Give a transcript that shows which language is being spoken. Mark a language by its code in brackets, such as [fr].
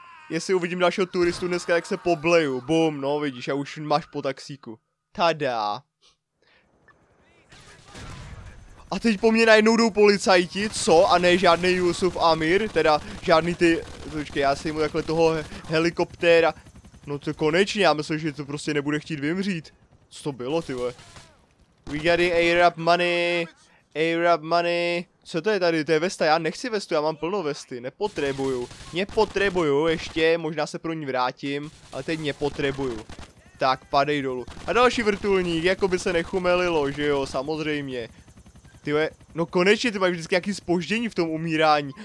[cs] Jestli uvidím dalšího turistu dneska, jak se pobleju. Bum, no vidíš, a už máš po taxíku. Tada. A teď po mně najednou jdou policajti, co? A ne žádný Yusuf Amir, teda žádný ty, počkej, já si jmu takhle toho helikoptéra. No to konečně, já myslím, že to prostě nebude chtít vymřít. Co to bylo, ty vole? [en] We got the Arab money, Arab money. [cs] Co to je tady, to je vesta, já nechci vestu, já mám plno vesty, nepotřebuju. Nepotřebuju ještě, možná se pro ní vrátím, ale teď nepotřebuju. Tak, padej dolů. A další vrtulník, jako by se nechumelilo, že jo, samozřejmě. Tyve, no konečně, ty mají vždycky nějaký zpoždění v tom umírání.